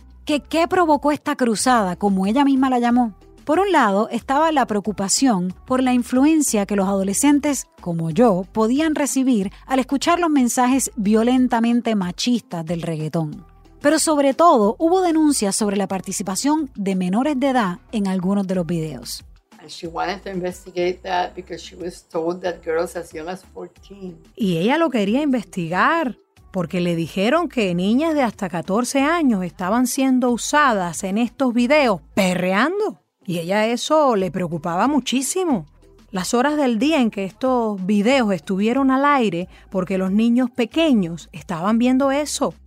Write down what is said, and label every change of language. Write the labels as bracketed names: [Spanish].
[Spanish] ¿Qué provocó esta cruzada, como ella misma la llamó? Por un lado, estaba la preocupación por la influencia que los adolescentes, como yo, podían recibir al escuchar los mensajes violentamente machistas del reggaetón. Pero sobre todo, hubo denuncias sobre la participación de menores de edad en algunos de los videos. [English] She wanted to investigate that because she was told that girls as young as 14. [Spanish] Y ella lo quería investigar porque le dijeron que niñas de hasta 14 años estaban siendo usadas en estos videos perreando. Y ella eso le preocupaba muchísimo. Las horas del día en que estos videos estuvieron al aire porque los niños pequeños estaban viendo eso.